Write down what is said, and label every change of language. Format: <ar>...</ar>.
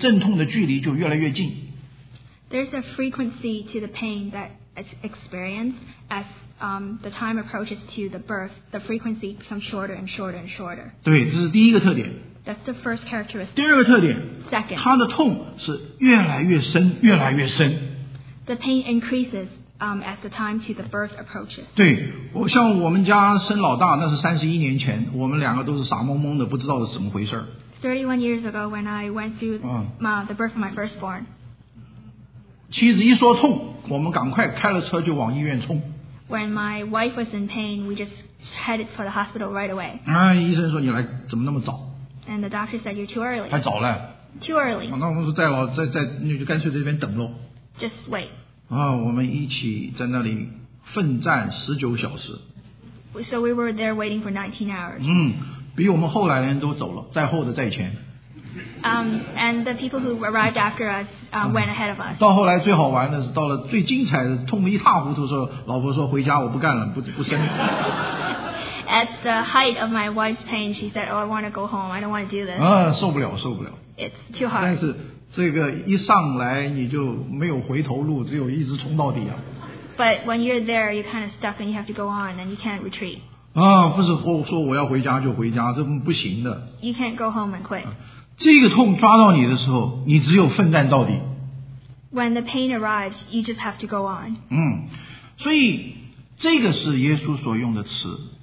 <zh>它的第一个特点是，这许许多多的痛有一个很稀奇的现象，就是一个痛跟下一个痛有一个距离，而这个距离因着时间的长，你就会发现它这个阵痛的距离就越来越近。</zh> <en>There's a frequency to the pain that is experienced as the time approaches to the birth, the frequency becomes shorter and shorter and shorter.</en> <zh>对，这是第一个特点。</zh> <en>That's the first characteristic.</en> <zh>第二个特点,</zh> <en>Second,</en> <zh>它的痛是越来越深。</zh> <en>The pain increases as the time to the birth approaches.</en> <zh>对，像我们家生老大，那是31年前， 我们两个都是傻蒙蒙的， 不知道是怎么回事。</zh> <en>31 years ago when I went through the birth of my firstborn.</en> <zh>妻子一说痛， 我们赶快开了车就往医院冲。</zh> <en>When my wife was in pain, we just headed for the hospital right away.</en> <zh>医生说你来怎么那么早。</zh> <en>And the doctor said, you're too early.</en> <zh>还早了。</zh> <en>Too early.</en> <zh>那我们说再老，就干脆这边等咯。</zh> <en>Just wait.</en> <zh>我们一起在那里奋战19小时。</zh> <en>So we were there waiting for 19 hours.</en> <zh>比我们后来的人都走了，在后的在前。</zh> <en>And the people who arrived after us went ahead of us.</en> <zh>到后来最好玩的是，到了最精彩的，痛得一塌糊涂的时候，老婆说回家，我不干了，不生。</zh> <en>At the height of my wife's pain, she said, oh, I want to go home. I don't want to do this.</en> <zh>受不了。</zh> <en>It's too hard.</en> <zh>但是这个一上来你就没有回头路， 只有一直冲到底啊。</zh> <en>But when you're there, you're kind of stuck and you have to go on and you can't retreat.</en> <zh>不是说我要回家就回家， 这不行的。</zh> <en>You can't go home and quit.</en> <zh>这个痛抓到你的时候， 你只有奋战到底。</zh> <en>When the pain arrives, you just have to go on.</en> <zh>所以这个是耶稣所用的词。</zh>